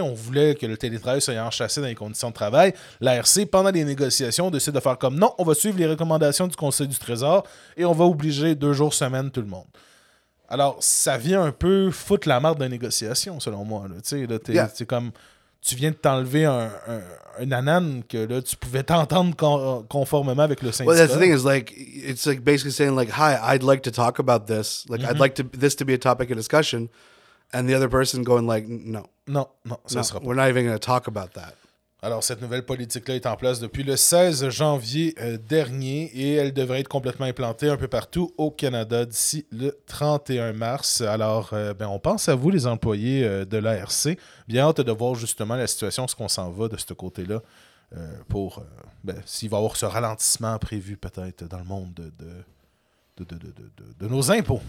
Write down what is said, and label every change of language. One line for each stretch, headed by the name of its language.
French: On voulait que le télétravail soit enchâssé dans les conditions de travail. L'ARC, pendant les négociations, décide de faire comme « Non, on va suivre les recommandations du Conseil du Trésor et on va obliger 2 jours semaine tout le monde. » Alors, ça vient un peu foutre la marde de négociation, selon moi. Tu sais, là, t'es, yeah. t'es comme... Tu viens de t'enlever un anane que là tu pouvais t'entendre conformément avec le syndicat.
English: Well, that's the thing is like it's like basically saying like hi, I'd like to talk about this. Like mm-hmm. I'd like to this to be a topic of discussion and the other person going like no.
French: Non, ça sera pas.
English: We're not even going to talk about that.
French: Alors cette nouvelle politique là est en place depuis le 16 janvier dernier et elle devrait être complètement implantée un peu partout au Canada d'ici le 31 mars. Alors on pense à vous les employés de l'ARC. Bien hâte de voir justement la situation, ce qu'on s'en va de ce côté-là pour s'il va y avoir ce ralentissement prévu peut-être dans le monde de nos impôts.